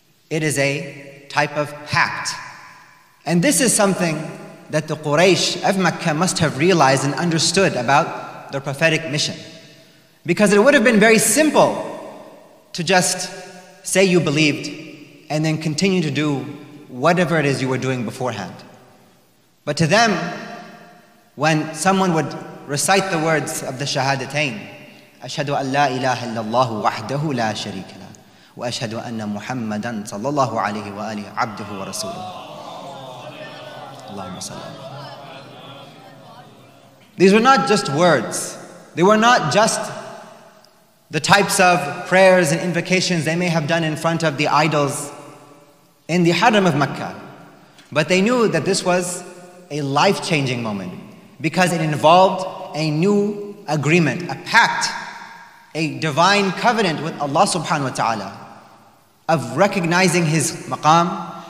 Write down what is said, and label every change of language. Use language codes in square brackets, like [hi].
[en] It is a type of pact. And this is something that the Quraysh of Makkah must have realized and understood about their prophetic mission. Because it would have been very simple to just say you believed and then continue to do whatever it is you were doing beforehand. [ar] But to them, when someone would recite the words of the Shahadatain, أشهد أن لا إله إلا الله وحده لا شريك له وأشهد أن محمدا صلى الله عليه وآله عبده ورسوله اللهم صل وسلم. [en] These were not just words. They were not just the types of prayers and invocations they may have done in front of the idols in the Haram of Mecca. But they knew that this was a life-changing moment because it involved a new agreement, a pact, a divine covenant with Allah subhanahu wa ta'ala of recognizing His maqam.